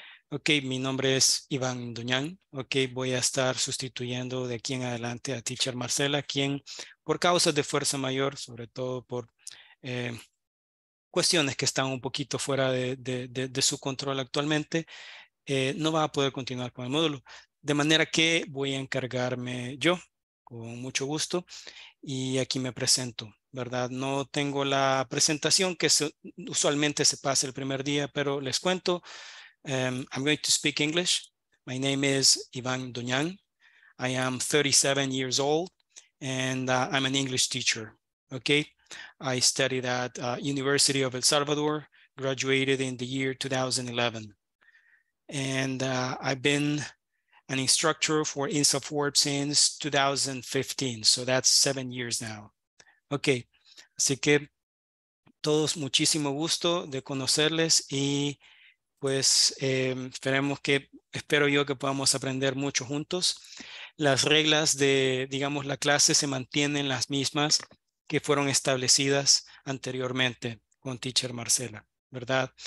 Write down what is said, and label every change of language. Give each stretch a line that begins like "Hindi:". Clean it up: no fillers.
Spanish: Ok, mi nombre es Iván Doñán. Ok, voy a estar sustituyendo de aquí en adelante a teacher Marcela, quien por causas de fuerza mayor, sobre todo por cuestiones que están un poquito fuera de su control actualmente, no va a poder continuar con el módulo. De manera que voy a encargarme yo, con mucho gusto, y aquí me presento, ¿verdad? No tengo la presentación que usualmente se pasa el primer día, pero les cuento.
English: I'm going to speak English. My name is Iván Doñán. I am 37 years old, and I'm an English teacher, okay? I studied at University of El Salvador, graduated in the year 2011. And I've been an instructor for INSAFORP since 2015. So that's 7 years now.
Spanish: Okay, así que todos muchísimo gusto de conocerles y pues espero yo que podamos aprender mucho juntos. Las reglas de, digamos, la clase se mantienen las mismas que fueron establecidas anteriormente con teacher Marcela, ¿verdad?